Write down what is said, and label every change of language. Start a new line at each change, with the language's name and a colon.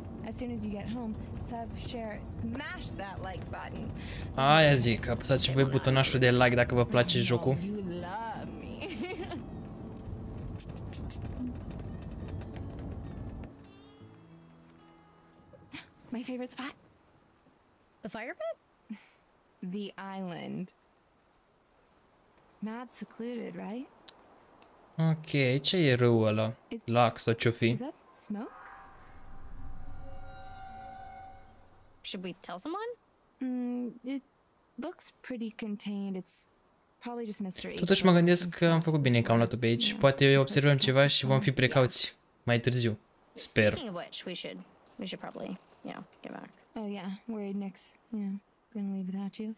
English: As soon as you get home, sub, share, smash that like button.
Romanian: Aia zic, apăsați voi butonașul de like dacă vă place jocul.
English: You love me. My favorite spot? The fire pit? The island. Mad secluded, right?
Romanian: Okay, ce e râul ăla? Lac sau ce-o fi?
English: Is that smoke? Should we tell someone? It looks pretty contained. It's probably just mystery.
Romanian: Totuși mă gândesc că am făcut bine că am luat-o pe aici. Poate observăm ceva și vom fi precauți mai târziu. Sper.
English: Speaking of which, we should probably, you know, get back. Oh yeah, worried Nick's, you know, gonna leave without you.